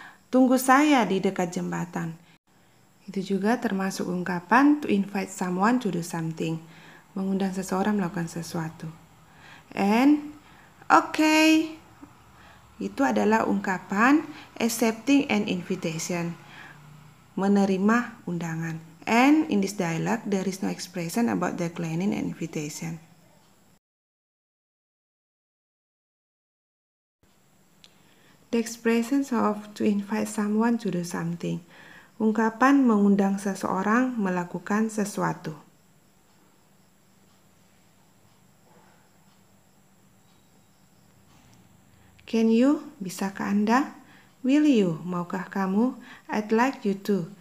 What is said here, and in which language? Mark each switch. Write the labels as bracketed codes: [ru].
[id] Tunggu saya di dekat jembatan. Itu juga termasuk ungkapan to invite someone to do something. Mengundang seseorang melakukan sesuatu. And, okay. Itu adalah ungkapan accepting an invitation. Menerima undangan. [en] And, in this dialogue, there is no expression about declining an invitation. The expressions of to invite someone to do something. [id] Ungkapan mengundang seseorang melakukan sesuatu. [en] Can you? Bisakah Anda? Will you? Maukah kamu? I'd like you to.